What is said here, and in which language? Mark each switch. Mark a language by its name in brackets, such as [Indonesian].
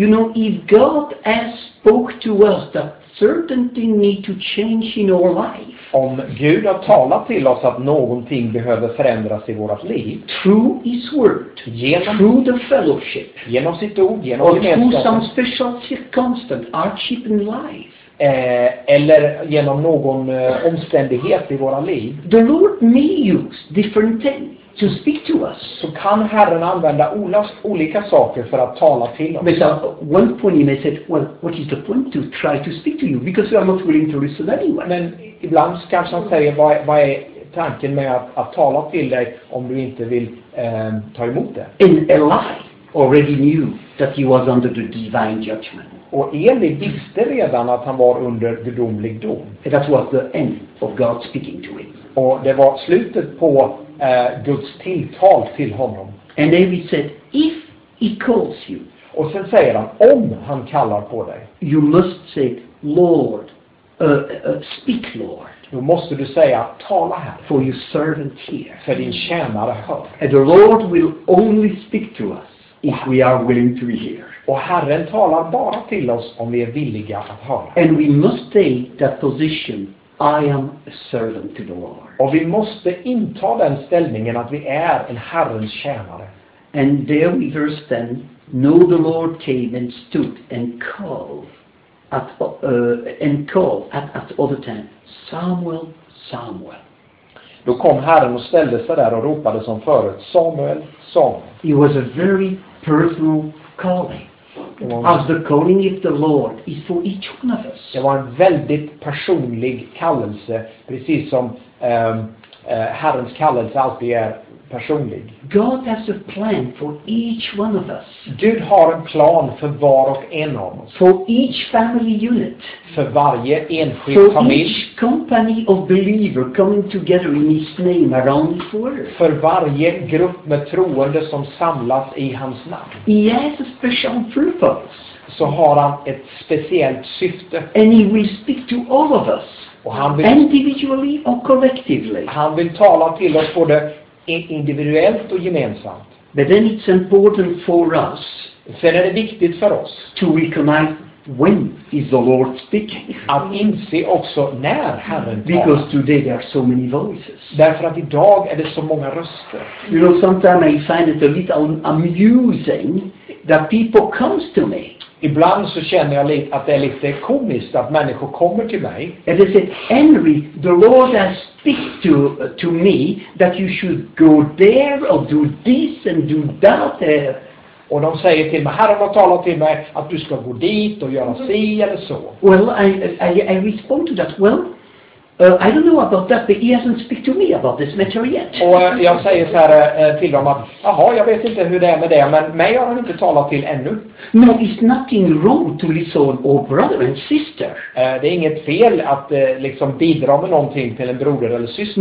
[English] You know, if God has spoke to us that certain thing need to change in our life. [Swedish] Om Gud har talat till oss att någonting behöver förändras i vårt liv. [English] Through his word. [Swedish] Genom, [English] through the fellowship. [Swedish] Genom sitt ord, genom gemenskapen. [English] Through some special circumstance, hardship in life. [Swedish] Eller genom någon omständighet i våra liv. [English] The Lord may use different things to speak to us. [Swedish] Så kan Herren använda olika saker för att tala till oss. [English] But at one point he may say, well, what is the point to try to speak to you? Because you are not willing to listen anyway. [Swedish] Men ibland kanske han säger, vad är tanken med att tala till dig om du inte vill ta emot det? [English] And Eli already knew that he was under the divine judgment. [Swedish] Och Eli visste redan att han var under gudomlig dom. [English] And that was the end of God speaking to him. [Swedish] Och det var slutet på Guds tilltal till honom. [English] And David said, if he calls you. [Swedish] Och sen säger han, om han kallar på dig. [English] You must say, Lord, speak Lord. [Swedish] Då måste du säga, tala här. [English] For your servant hear. [Swedish] För din tjänare hör. [English] And the Lord will only speak to us if we are willing to hear. [Swedish] Och Herren talar bara till oss om vi är villiga att höra. [English] And we must take that position, I am a servant to the Lord. [Swedish] Och vi måste inta den ställningen att vi är en Herrens tjänare. [English] And there we verse 10, no, the Lord came and stood and called at other time, Samuel, Samuel. [Swedish] Då kom Herren och ställde sig där och ropade som förut, Samuel, Samuel. [English] It was a very personal calling. As the calling of the Lord is for each one of us. [Swedish] Det var en väldigt personlig kallelse, precis som Herrens kallelse alltid är personlig. [English] God has a plan for each one of us. [Swedish] Gud har en plan för var och en av oss. [English] For each family unit. [Swedish] För varje enskild for familj. [English] For each company of believers coming together in his name around his word. [Swedish] För varje grupp med troende som samlas i hans namn. [English] He has a special purpose. [Swedish] Så har han ett speciellt syfte. [English] And he will speak to all of us. [Swedish] Och han vill, [English] individually or collectively. [Swedish] Han vill tala till oss både individuellt och gemensamt. [English] But then it's important for us. [Swedish] Sen är det viktigt för oss. [English] To recognize when is the Lord speaking. [Swedish] Att inse också när Herren talar. [English] Because today there are so many voices. [Swedish] Därför att idag är det så många röster. [English] You know, sometimes I find it a little amusing that people comes to me. [Swedish] Ibland så känner jag lite att det är lite komiskt att människor kommer till mig. [English] And they said, Henry, the Lord has speak to me that you should go there or do this and do that there. [Swedish] Och de säger till mig, Herren har talat till mig att du ska gå dit och göra si eller så. [English] Well, I respond to that. Well, I don't know about that, but he hasn't speak to me about this matter yet. [Swedish] Och jag säger så här till dem att, jaha, jag vet inte hur det är med det, men mig har han inte talat till ännu. [English] No, it's nothing wrong to listen to a brother and sister. [Swedish] Det är inget fel att liksom bidra med någonting till en broder eller syster.